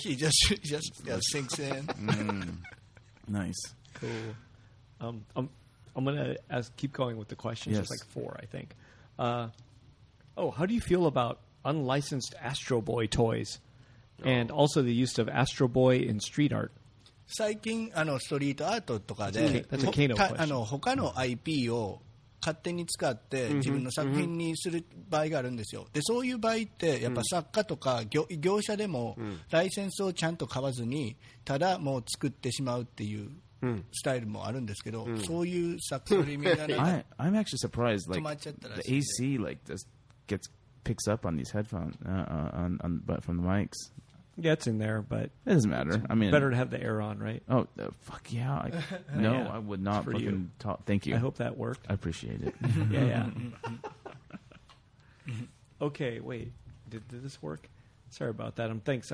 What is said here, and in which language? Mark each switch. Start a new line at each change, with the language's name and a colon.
English: He just yeah, sinks in. Nice. Cool. I'm gonna ask, keep going with the questions. Yes. There's like four, I think. How do you feel about unlicensed Astro Boy toys, and also the use of Astro Boy in street art?
Japanese: 最近あのストリートアートとかで、
English: that's a Kano question.
Japanese: あの他の IP を勝手に使って自分の作品にする場合があるんですよ。でそういう場合ってやっぱ作家とか 業者でもライセンスをちゃんと買わずにただもう作ってしまうっていうスタイルもあるんですけど、そういう作品になる。
English: I'm actually surprised like the AC like just gets picks up on these headphones but from the mics. Yeah, it's in there, but it doesn't matter. I mean, better to have the air on, right? Oh, fuck yeah! No, yeah. I would not fucking you. Talk. Thank you. I hope that worked. I appreciate it. Yeah, yeah. Okay, wait. Did this work? Sorry about that. Thanks.